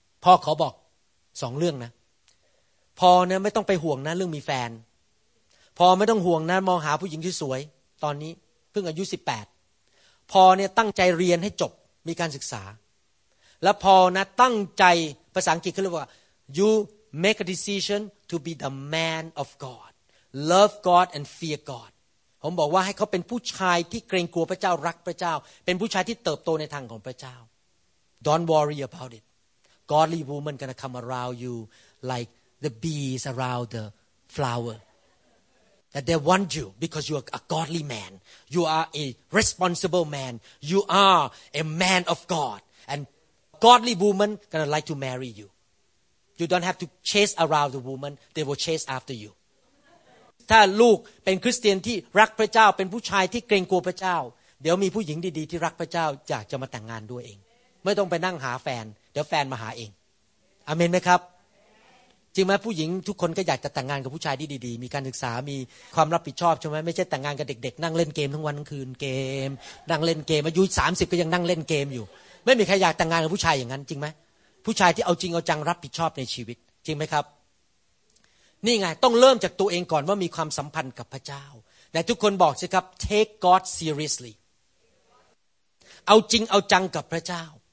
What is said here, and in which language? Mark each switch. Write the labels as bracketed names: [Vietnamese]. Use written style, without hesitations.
[Thai] อขอบอก2เรื่องนะพ่อเนี่ยไม่ต้องไปห่วงนะเรื่องมีแฟนพ่อไม่ต้องห่วงนะมองหาผู้หญิงที่สวยตอนนี้เพิ่งอายุ18พ่อเนี่ยตั้งใจเรียนให้จบมีการศึกษาแล้วพ่อนะตั้งใจภาษาอังกฤษเขาเรียกว่า [English] you make a decision to be the man of godLove God and fear God. [Thai] ผมบอกว่าให้เขาเป็นผู้ชายที่เกรงกลัวพระเจ้ารักพระเจ้าเป็นผู้ชายที่เติบโตในทางของพระเจ้า [English] Don't worry about it. Godly woman gonna come around you like the bees around the flower. That they want you because you are a godly man. You are a responsible man. You are a man of God. And godly woman gonna like to marry you. You don't have to chase around the woman. They will chase after you. [Thai] ถ้าลูกเป็นคริสเตียนที่รักพระเจ้าเป็นผู้ชายที่เกรงกลัวพระเจ้าเดี๋ยวมีผู้หญิงดีๆที่รักพระเจ้าอยากจะมาแต่งงานด้วยเองไม่ต้องไปนั่งหาแฟนเดี๋ยวแฟนมาหาเองอเมนไหมครับ จริงไหมผู้หญิงทุกคนก็อยากจะแต่งงานกับผู้ชายที่ดีๆมีการศึกษามีความรับผิดชอบใช่ไหมไม่ใช่แต่งงานกับเด็กๆนั่งเล่นเกมทั้งวันทั้งคืนเกมนั่งเล่นเกมอายุ30ก็ยังนั่งเล่นเกมอยู่ไม่มีใครอยากแต่งงานกับผู้ชายอย่างนั้นจริงไหมผู้ชายที่เอาจริงเอาจังรับผิดชอบในชีวิตจริงไหมครับนี่ไงต้องเริ่มจากตัวเองก่อนว่ามีความสัมพันธ์กับพระเจ้าแต่ทุกคนบอกสิครับ [English] take God seriously [Thai] เอาจริงเอาจังกับพระเจ้า